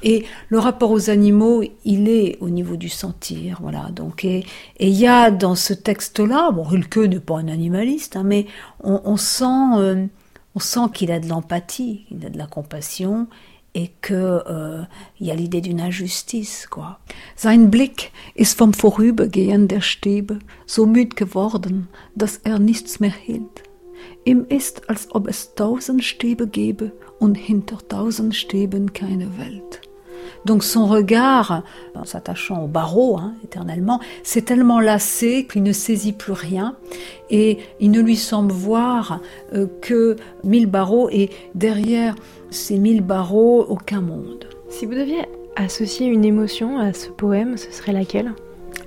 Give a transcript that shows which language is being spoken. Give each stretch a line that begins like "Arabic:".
French: Et le rapport aux animaux, il est au niveau du sentir. Voilà. Donc, et il y a dans ce texte-là, bon, Rilke n'est pas un animaliste, hein, mais on sent qu'il a de l'empathie, il a de la compassion. Et que il y a l'idée d'une injustice, quoi.
German: Sein Blick ist vom Vorübergehen der Stäbe so müd geworden, dass nichts mehr hält. Ihm ist, als ob es tausend Stäbe gäbe und hinter tausend Stäben keine Welt.
French: Donc son regard, en s'attachant au barreau, hein, éternellement, s'est tellement lassé qu'il ne saisit plus rien et il ne lui semble voir que 1000 barreaux et derrière ces 1000 barreaux, aucun monde. Si vous deviez associer une émotion à ce poème, ce serait laquelle ?